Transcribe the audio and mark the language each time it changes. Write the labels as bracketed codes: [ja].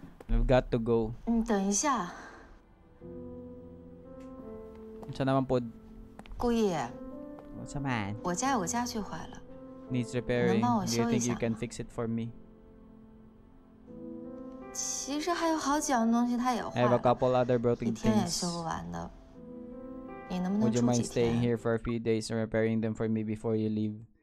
[en] I've got to go. [zh] 等一下。 [tl] Saan naman po? Kuya. [en] What's up, man? [zh] 我家有个家具坏了。 [en] Needs repairing. [zh] 能帮我修一下。 [en] Do you think you can fix it for me? [zh] 其实还有好几样东西它也坏了。 [en] I have a couple other broken things. [zh] 一天也修不完的。 [en] Would you mind staying here for a few days and repairing them for me before you leave?